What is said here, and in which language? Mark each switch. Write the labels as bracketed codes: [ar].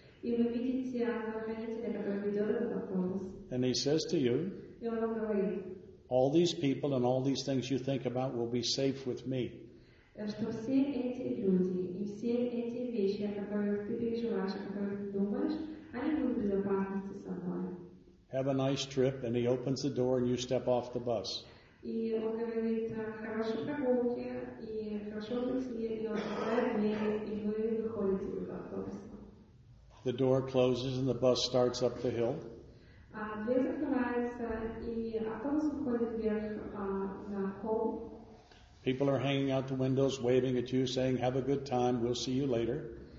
[en] And he says to you, all these people and all these things you think about will be safe with me. Have a nice trip, and he opens the door and you step off the bus. [ru] И он говорит, хорошие прогулки, и хорошо вы себе, и он открывает дверь, и вы выходите из автобуса. [en] The door closes and the bus starts up the hill. [ru] Дверь закрывается, и автобус выходит вверх на холм. [en] People are hanging out the windows, waving at you, saying, have a good time, we'll see you later.